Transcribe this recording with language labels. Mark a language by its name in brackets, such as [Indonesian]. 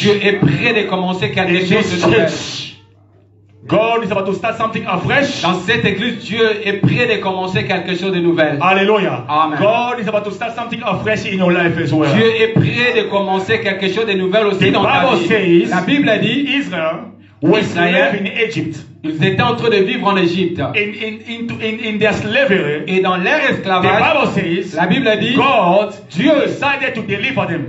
[French] Dieu est prêt de commencer quelque chose de nouveau. [English] God is about to start something afresh. [French] Dans cette église, Dieu est prêt de commencer quelque chose de nouvel. Alléluia. Amen. [English] God is about to start something afresh in your life as well. [French] Dieu est prêt de commencer quelque chose de nouvel aussi [English] the [French] dans [English] Bible [French] ta vie. [English] Says, [French] la Bible a dit, [English] Israel. Was slave in Egypt. [French] Ils étaient en train de vivre en Égypte. [English] In their slavery. [French] Et dans leur esclavage. [English] The Bible says, [French] la Bible a dit. [English] God, Dieu, decided to deliver them.